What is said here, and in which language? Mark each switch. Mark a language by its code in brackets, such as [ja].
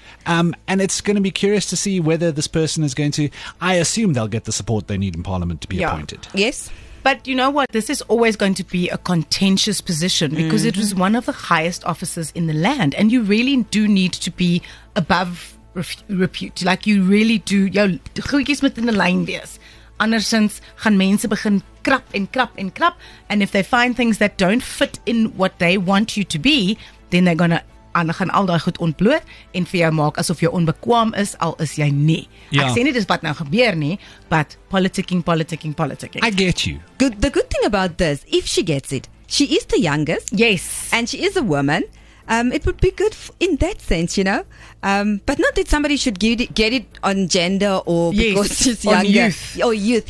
[en] And it's going to be curious to see whether this person is going to... I assume they'll get the support they need in Parliament to be appointed. Yes. But you know what? This is always going to be a contentious position because it was one of the highest offices in the land. And you really do need to be above repute. Like, you really do... [af] Jou goeie moet in die lyn wees. Andersins gaan mense begin krap en krap en krap. [en] And if they find things that don't fit in what they want you to be, then they're going to... [af] aan gaan al daai goed ontbloot en vir jou maak asof jy onbekwaam is, al is jy nie. Yeah. Ek sê nie dis wat nou gebeur nie, [en] but politicking, politicking, politicking. I get you. The good thing about this, if she gets it, She is the youngest. Yes. And she is a woman. It would be good in that sense, you know. But not that somebody should get it on gender or because she's younger. Youth,